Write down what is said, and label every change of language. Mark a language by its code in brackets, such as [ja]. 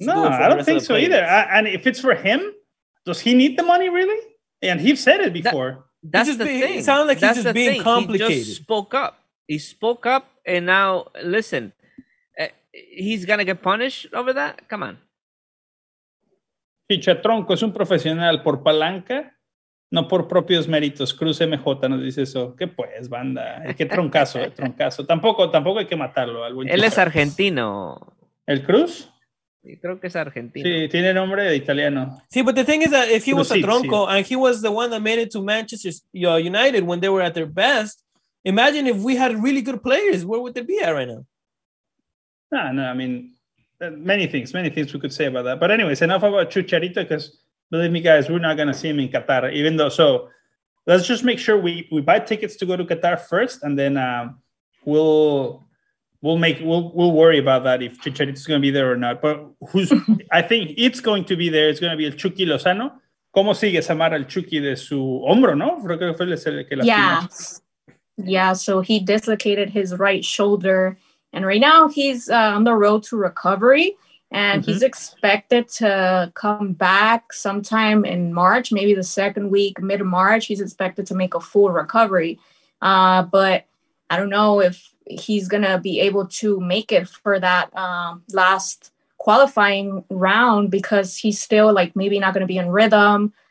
[en] I don't think so either. And if it's for him, does he need the money really? And he's said it before. That's the thing. It sounds like he's just being complicated. He just spoke up. He spoke up, and now, listen, he's going to get punished over that? Come on. [es] Pichatronco es un profesional por palanca, no por propios méritos. Cruz MJ nos dice eso. ¿Qué pues, banda? Qué troncazo, troncazo. Tampoco hay que matarlo. Él chico. Es argentino. ¿El Cruz? Creo que es argentino. Sí, tiene nombre de italiano. Sí, [en] but the thing is that if he was a tronco and he was the one that made it to Manchester United when they were at their best, imagine if we had really good players, where would they be at right now? No, I mean, many things we could say about that. But anyways, enough about Chucharito, because believe me, guys, we're not going to see him in Qatar, even though. So let's just make sure we buy tickets to go to Qatar first, and then we'll worry about that if Chicharito is going to be there or not. But who's? I think it's going to be there. It's going to be el Chucky Lozano. [es] ¿Cómo sigue Samara el Chucky de su hombro, no? [en] Yeah. So he dislocated his right shoulder, and right now he's on the road to recovery, and mm-hmm. he's expected to come back sometime in March, maybe the second week, mid March. He's expected to make a full recovery, but I don't know if he's gonna be able to make it for that last qualifying round, because he's still like maybe not gonna be in rhythm.